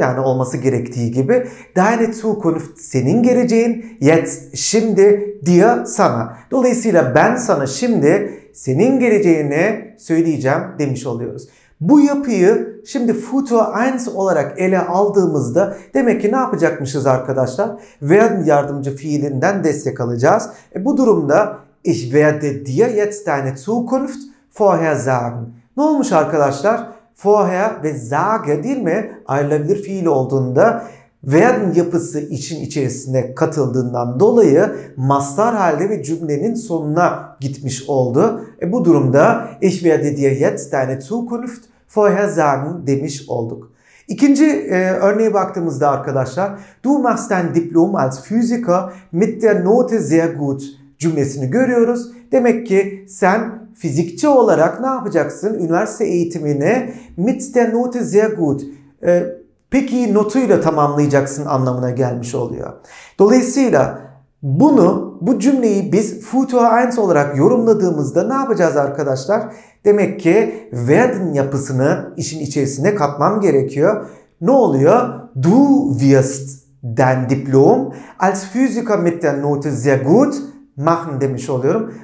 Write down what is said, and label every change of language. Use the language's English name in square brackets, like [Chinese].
[Turkish] Yani olması gerektiği gibi. [German] Deine Zukunft, [Turkish] senin geleceğin, jetzt, şimdi, dir, sana. Dolayısıyla ben sana şimdi senin geleceğini söyleyeceğim demiş oluyoruz. Bu yapıyı şimdi Futur 1 olarak ele aldığımızda demek ki ne yapacakmışız arkadaşlar? Werden yardımcı fiilinden destek alacağız. Bu durumda [German] ich werde dir jetzt deine Zukunft vorher sagen. [Turkish] Ne olmuş arkadaşlar? Vorher ve sage, değil mi, ayrılabilir fiil olduğunda werden yapısı için içerisine katıldığından dolayı mastar halde ve cümlenin sonuna gitmiş oldu. Bu durumda [German] ich werde dir jetzt deine Zukunft vorher sagen [Turkish] demiş olduk. İkinci örneğe baktığımızda arkadaşlar, [German] Du machst dein Diplom als Physiker mit der Note sehr gut [Turkish] cümlesini görüyoruz. Demek ki sen fizikçi olarak ne yapacaksın? Üniversite eğitimini [German] mit der Note sehr gut, [Turkish] pek iyi notuyla tamamlayacaksın anlamına gelmiş oluyor. Dolayısıyla bunu, bu cümleyi biz Futur 1 olarak yorumladığımızda ne yapacağız arkadaşlar? Demek ki werden yapısını işin içerisine katmam gerekiyor. Ne oluyor? [German] Du wirst dein Diplom als Physiker mit der Note sehr gut machen [Turkish] demiş oluyorum.